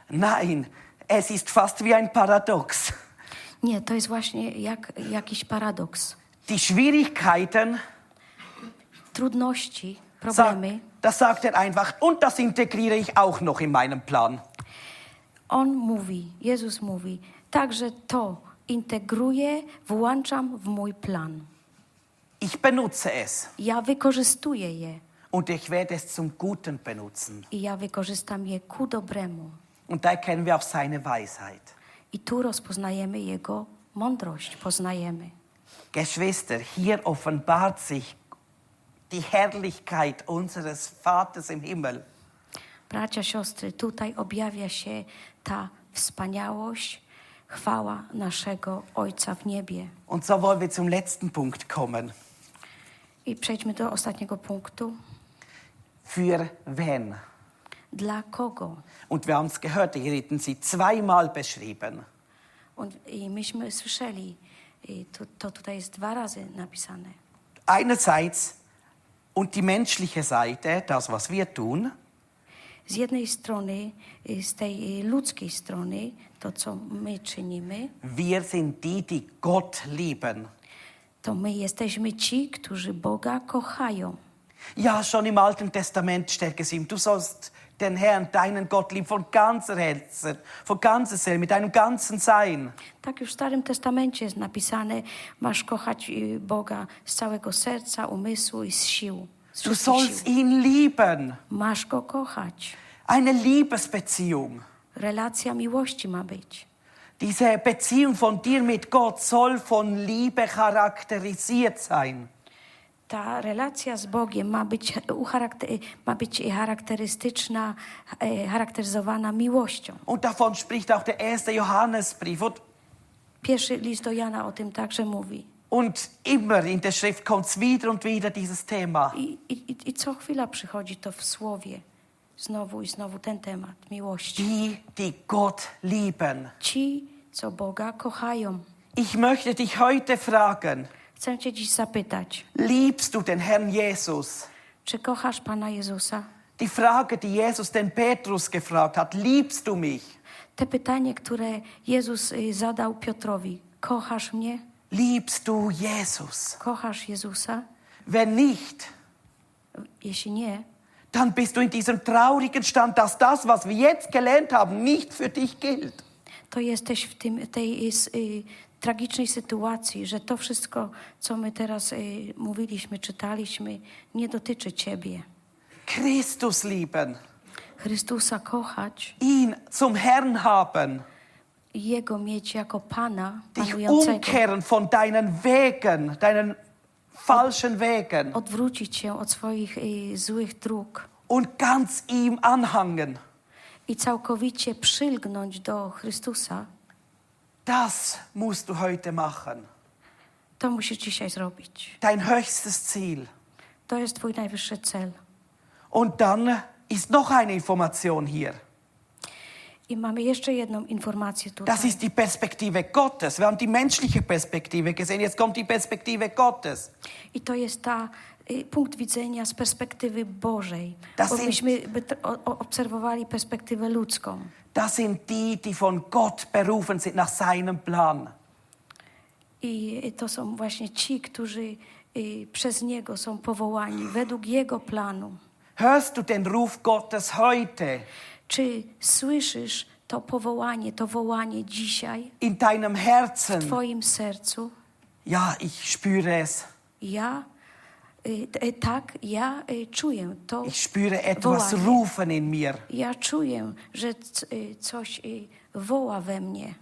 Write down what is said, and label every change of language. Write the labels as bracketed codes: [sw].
[de] Nein, es ist fast wie ein Paradox. [pl] Nie, to jest właśnie jak jakiś paradoks. [de] Die Schwierigkeiten, [pl] trudności, problemy. [de] Das sagt er einfach und das integriere ich auch noch in meinem Plan. [pl] On mówi, Jezus mówi, także to integruję, włączam w mój plan. [de] Ich benutze es. [pl] Ja wykorzystuję je. [de] Und ich werde es zum Guten benutzen. [pl] I ja wykorzystam je ku dobremu. [de] Und da erkennen wir auch seine Weisheit. [pl] I tu rozpoznajemy Jego mądrość, poznajemy. [de] Geschwister, hier offenbart sich die Herrlichkeit unseres Vaters im Himmel. [pl] Bracia, siostry, tutaj objawia się ta wspaniałość, chwała naszego Ojca w niebie. [de] Und so wollen wir zum letzten Punkt kommen. [pl] I przejdźmy do ostatniego punktu. [de] Für wen? [pl] Dla kogo? [de] Und wir haben es gehört, hier hätten sie zweimal beschrieben. [pl] Und i myśmy słyszeli, to tutaj jest dwa razy napisane. [de] Einerseits und die menschliche Seite, das was wir tun. [pl] Z jednej strony, z tej ludzkiej strony, to co my czynimy. [de] Wir sind die, die Gott lieben. [pl] To my jesteśmy ci, którzy Boga kochają. [de] Ja, schon im Alten Testament steht es ihm, du sollst den Herrn, deinen Gott lieben, von ganzer Herzen, von ganzer Seele, mit deinem ganzen Sein. [pl] Tak już w Starym Testamencie jest napisane, masz kochać Boga z całego serca, umysłu i z sił. [de] Du sollst ihn lieben. [pl] Masz go kochać. [de] Eine Liebesbeziehung. [pl] Relacja miłości ma być. [de] Diese Beziehung von dir mit Gott soll von Liebe charakterisiert sein. [pl] Ta relacja z Bogiem ma być charakterystyczna, charakteryzowana miłością. [de] Und davon spricht auch der erste Johannesbrief. [pl] Pierwszy list do Jana o tym także mówi. [de] Und immer in der Schrift kommt's wieder und wieder dieses Thema. [pl] I co chwila przychodzi to w słowie. Znowu i znowu ten temat miłości. [de] Die Gott lieben. [pl] Ci, co Boga kochają. [de] Ich möchte dich heute fragen. [pl] Chcę cię dziś zapytać. [de] Liebst du den Herrn Jesus? [pl] Czy kochasz Pana Jezusa? [de] Die Frage, die Jesus den Petrus gefragt hat, liebst du mich? [pl] Te pytanie, które Jezus zadał Piotrowi, kochasz mnie? [de] Liebst du Jesus? [pl] Kochasz Jezusa? [de] Wenn nicht, [pl] jeśli nie, [de] dann bist du in diesem traurigen Stand, dass das, was wir jetzt gelernt haben, nicht für dich gilt. [pl] To jesteś w tym tej tragicznej sytuacji, że to wszystko, co my teraz mówiliśmy, czytaliśmy, nie dotyczy ciebie. [de] Christus lieben. [pl] Chrystusa kochać. [de] Ihn zum Herrn haben. [pl] Jego mieć jako Pana, panującego. [de] Dich umkehren von deinen Wegen, deinen falschen Wegen. [pl] Odwrócić się od swoich złych dróg. [de] Und ganz ihm anhangen. [pl] i całkowicie przylgnąć do Chrystusa. [de] Das musst du heute machen. [pl] To musisz dzisiaj zrobić. [de] Dein höchstes Ziel. [pl] To jest twój najwyższy cel. [de] Und dann ist noch eine Information hier. [pl] I mamy jeszcze jedną informację tutaj. [de] Das ist die Perspektive Gottes. Wir haben die menschliche Perspektive gesehen. Jetzt kommt die Perspektive Gottes. [pl] I to jest ta punkt widzenia z perspektywy Bożej. Obserwowali perspektywę ludzką. [de] Das sind die, die von Gott berufen sind nach seinem Plan. [pl] I to są właśnie ci, którzy przez Niego są powołani według Jego planu. [de] Hörst du den Ruf Gottes heute? [pl] Czy słyszysz to wołanie dzisiaj? [de] In deinem Herzen. [pl] W twoim sercu. [de] Ja, ich spüre es. [pl] Ja, tak, ja czuję to. [de] Ich spüre etwas [pl] wołanie. [de] Rufen in mir. [pl] Ja czuję, że coś woła we mnie.